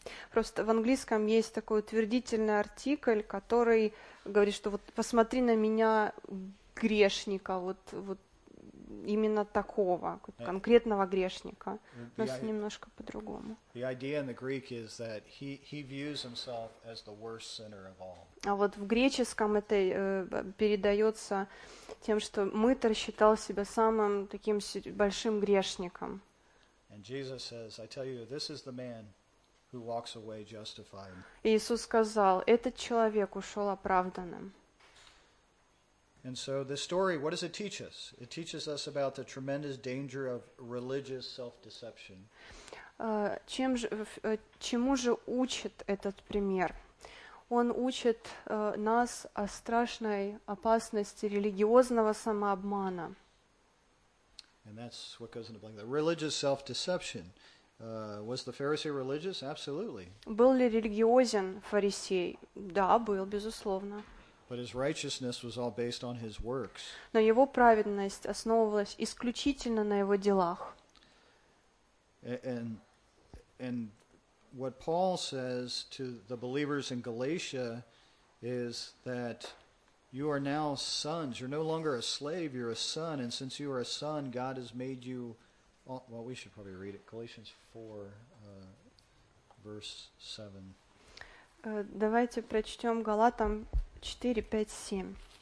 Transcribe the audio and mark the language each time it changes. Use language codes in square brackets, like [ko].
[ru] Просто в английском есть такой утвердительный артикль, который говорит, что вот посмотри на меня грешника, вот. Именно такого, конкретного грешника. Но с немножко по-другому. [en] The idea in the Greek is that he views himself as the worst sinner of all. [ru] А вот в греческом это передается тем, что мытарь считал себя самым таким большим грешником. [en] And Jesus says, I tell you, this is the man who walks away justified. [ru] Иисус сказал, этот человек ушел оправданным. [en] And so this story, what does it teach us? It teaches us about the tremendous danger of religious self-deception. [ru] Чему же учит этот пример? Он учит нас о страшной опасности религиозного самообмана. [en] And that's what goes into blank. The religious self-deception. Was the Pharisee religious? Absolutely. [ru] Был ли религиозен фарисей? Да, был, безусловно. [en] But his righteousness was all based on his works. [ru] Но его праведность основывалась исключительно на его делах. [en] And what Paul says to the believers in Galatia is that you are now sons. You're no longer a slave, you're a son. And since you are a son, God has made you, well, we should probably read it, Galatians 4, verse 7. [ru] Давайте прочтем Галатам 4, 5, 7.